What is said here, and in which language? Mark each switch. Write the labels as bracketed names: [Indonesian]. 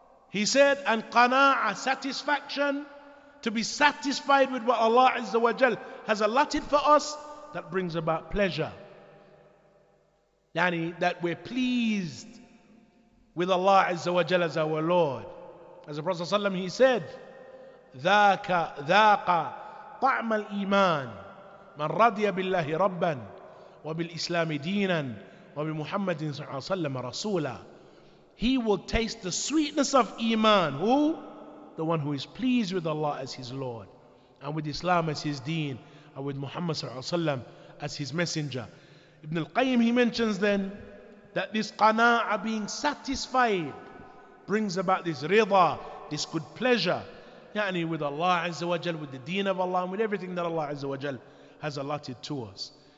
[English] He said, and qana'a, satisfaction, to be satisfied with what Allah Azza wa Jal has allotted for us, that brings about pleasure. Yani, that we're pleased with Allah Azza wa Jal as our Lord. As the Prophet ﷺ, he said, [Arabic] ذاك ذاق طعم الإيمان من رضي بالله ربا وبالإسلام دينا وبمحمد صلى الله عليه وسلم رسولا. [English] He will taste the sweetness of iman. Who? The one who is pleased with Allah as his Lord, and with Islam as his deen, and with Muhammad صلى الله عليه وسلم as his messenger. Ibn al-Qayyim, he mentions then that this qana'a, being satisfied, brings about this rida, this good pleasure, yani with Allah Azza wa Jal, with the deen of Allah, and with everything that Allah Azza wa Jal has allotted to us.